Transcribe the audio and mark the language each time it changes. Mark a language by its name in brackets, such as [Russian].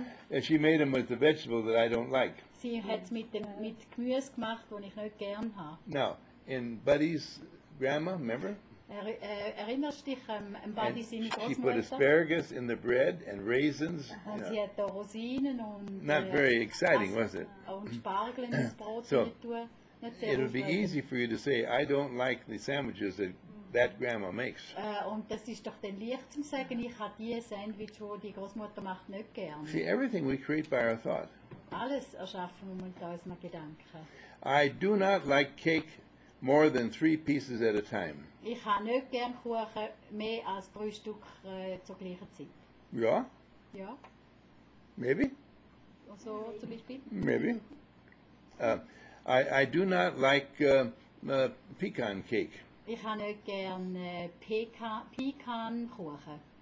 [English] And she made them with the vegetable that I don't like. [German] Sie hat's mit dem mit Gemüse gemacht, wo ich nicht gern ha. [English] Now, in Buddy's grandma, remember? [German] Erinnerst dich an Buddy seine Großmutter? [English] She put asparagus in the bread and raisins. [German] Und sie hat da Rosinen und [English] not very exciting, was it? [German] Und Spargel ins Brot so, [English] it would be easy for you to say, I don't like the sandwiches that that grandma makes. [German] Und das ist doch dann leicht zu sagen, ich habe die Sandwich, wo die Großmutter macht, nicht gern. [English] See, everything we create by our thought. [German] Alles erschaffen wir mit unseren Gedanken. [English] I do not like cake more than 3 pieces at a time. [German] Ich habe nicht gern Kuchen mehr als 3 Stück zur gleichen Zeit. Ja? Ja. [English] Maybe? [German] Also zum Beispiel? [English] Maybe. I do not like pecan cake. [German] Ich habe nicht gern Pecan-Kuchen.